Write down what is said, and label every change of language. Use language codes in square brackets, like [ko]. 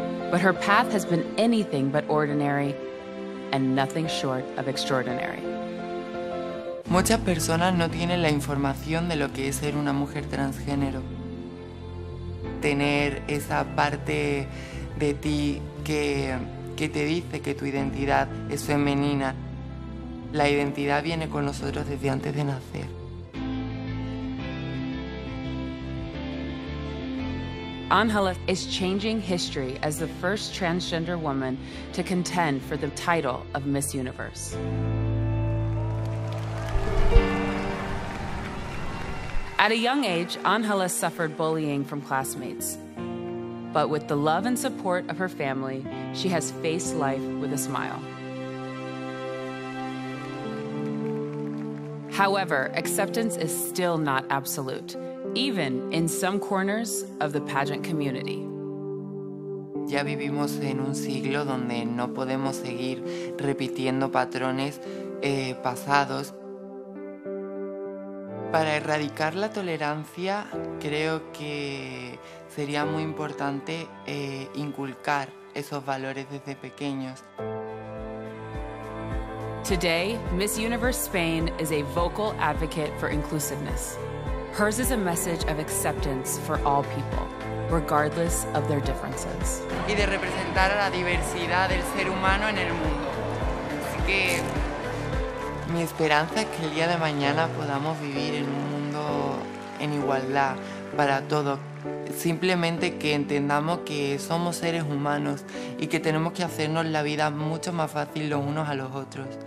[en] But her path has been anything but ordinary and nothing short of extraordinary. [es] Muchas personas no tienen la información de lo que es ser una mujer transgénero. Tener esa parte de ti que te dice que tu identidad es femenina. La identidad viene con nosotros desde antes de nacer. [en] Ángela is changing history as the first transgender woman to contend for the title of Miss Universe. At a young age, Ángela suffered bullying from classmates. But with the love and support of her family, she has faced life with a smile. However, acceptance is still not absolute, even in some corners of the pageant community. [es] Ya vivimos en un siglo donde no podemos seguir repitiendo patrones pasados. Para erradicar la tolerancia, creo que sería muy importante inculcar esos valores desde pequeños. [en] Today, Miss Universe Spain is a vocal advocate for inclusiveness. Hers is a message of acceptance for all people, regardless of their differences. [es] Y de representar a la diversidad del ser humano en el mundo. Así que mi esperanza es que el día de mañana podamos vivir en un mundo en igualdad para todos. Simplemente que entendamos que somos seres humanos y que tenemos que hacernos la vida mucho más fácil los unos a los otros.